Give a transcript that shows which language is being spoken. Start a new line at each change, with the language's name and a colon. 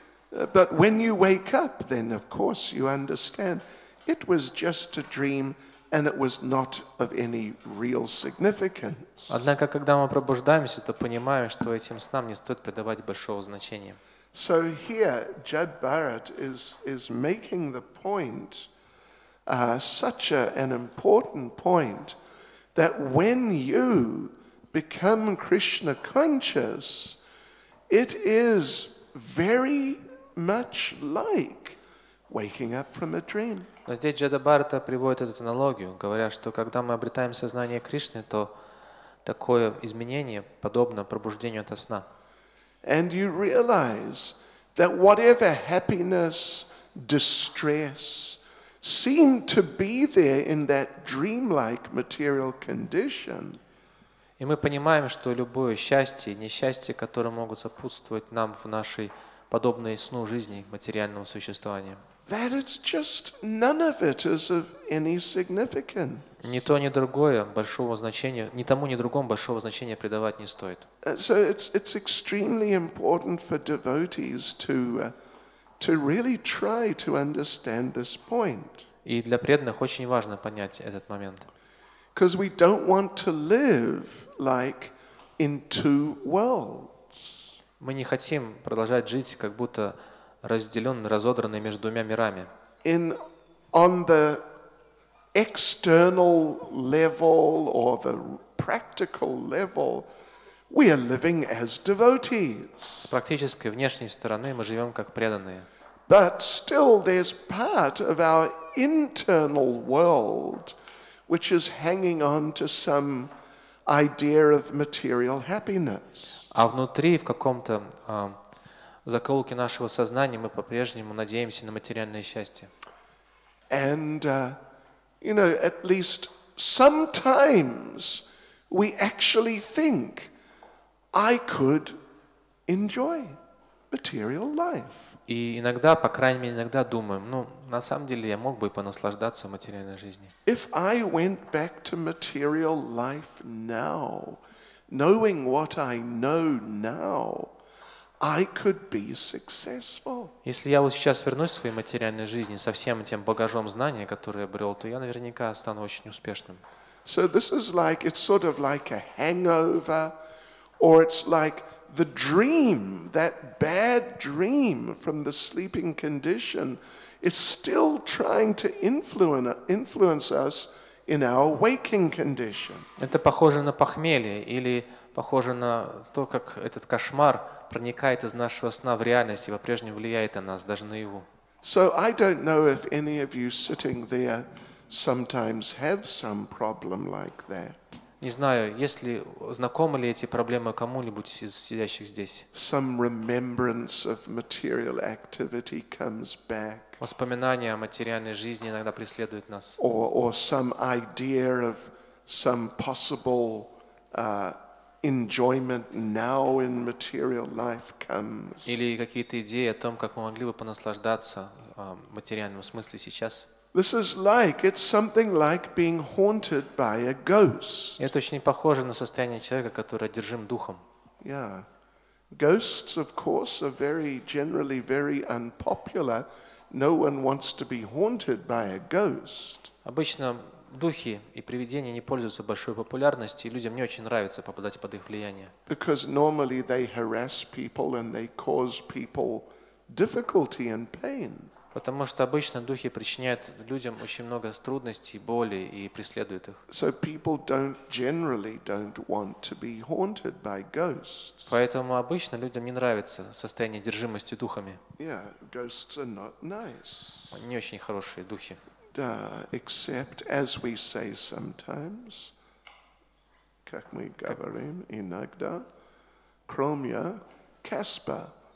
English: But when you wake up, then of course you understand it was just a dream, and it was not of any real significance.
Russian: Однако, когда мы пробуждаемся, то понимаем, что этим снам не стоит придавать большого значения.
English: So here, Judd Barrett is making the point, such an important point, that when you become Krishna conscious, it is very much like waking up from a dream.
Russian: Но здесь Джада Барретта приводит эту аналогию, говоря, что когда мы обретаем сознание Кришны, то такое изменение подобно пробуждению ото сна.
English: And you realize that whatever happiness, distress seemed to be there in that dreamlike material condition.
Russian: И мы понимаем, что любое счастье, несчастье, которые могут сопутствовать нам в нашей подобной сну жизни материального существования.
English: That it's just none of it is of any significance.
Russian: Ни то, ни другое большого значения, ни тому, ни другому большого значения придавать не стоит.
English: So it's extremely important for devotees to really try to understand this point.
Russian: И для преданных очень важно понять этот момент.
English: Because we don't want to live like in two worlds.
Russian: Мы не хотим продолжать жить, как будто разделен, разодранный между двумя мирами.
English: On the external level or the practical level, we are living as devotees.
Russian: С практической внешней стороны мы живем как преданные.
English: But still there's part of our internal world which is hanging on to some idea of material happiness.
Russian: А внутри, в каком-то закоулке нашего сознания, мы по-прежнему надеемся на материальное счастье.
English: And, you know, at least sometimes we actually think I could enjoy material life.
Russian: И иногда, по крайней мере, иногда думаем, ну, на самом деле я мог бы понаслаждаться материальной жизнью.
English: If I went back to material life now, knowing what I know now, I could be successful.
Russian: Если я вот сейчас вернусь в своей материальной жизни со всем тем багажом знания, который я обрел, то я наверняка стану очень успешным.
English: So this is like, it's sort of like a hangover, or it's like the dream, that bad dream from the sleeping condition is still trying to influence us in our waking condition.
Russian: Это похоже на похмелье или похоже на то, как этот кошмар проникает из нашего сна в реальность и по-прежнему влияет на нас, даже наяву.
English: So I don't know if any of you sitting there sometimes have some problem like that.
Russian: Не знаю, если знакомы ли эти проблемы кому-либо из сидящих здесь.
English: Some remembrance of material activity comes back.
Russian: Воспоминания о материальной жизни иногда преследуют нас.
English: Or some idea of some possible enjoyment now in material life comes.
Russian: Или какие-то идеи о том, как мы могли бы понаслаждаться материальным смыслом сейчас.
English: This is like, it's something like being haunted by a ghost.
Russian: Это очень похоже на состояние человека, который одержим духом.
English: Yeah. Ghosts, of course, are very generally very unpopular. No one wants to be haunted by a ghost.
Russian: Обычно духи и привидения не пользуются большой популярностью, и людям не очень нравится попадать под их влияние.
English: Because normally they harass people and they cause people difficulty and pain.
Russian: Потому что обычно духи причиняют людям очень много трудностей, боли и преследуют их.
English: So people generally don't want to be haunted by ghosts.
Russian: Поэтому обычно людям не нравится состояние одержимости духами.
English: Yeah, ghosts are not nice.
Russian: Не очень хорошие духи.
English: Except as we say sometimes,
Russian: как мы говорим иногда, кроме Каспа.